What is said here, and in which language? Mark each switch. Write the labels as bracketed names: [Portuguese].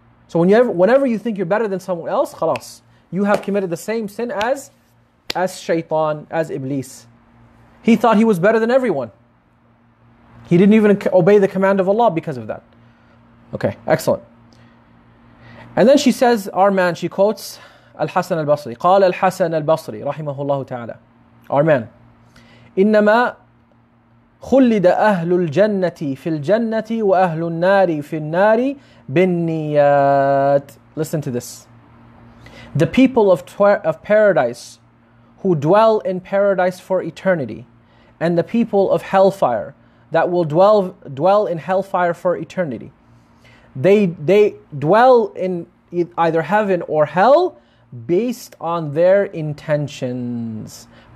[English] So whenever you think you're better than someone else, khalas, you have committed the same sin as shaitan, as Iblis. He thought he was better than everyone. He didn't even obey the command of Allah because of that. Okay, excellent. And then she says, our man, she quotes Al-Hasan al-Basri. [Arabic] قال الحسن البصري رحمه الله تعالى. [English] Our man. [Arabic] إنما خلد أهل الجنة في الجنة وأهل النار في النار بالنيات. [English] Listen to this. The people of paradise who dwell in paradise for eternity, and the people of hellfire that will dwell in hellfire for eternity, they dwell in either heaven or hell based on their intentions.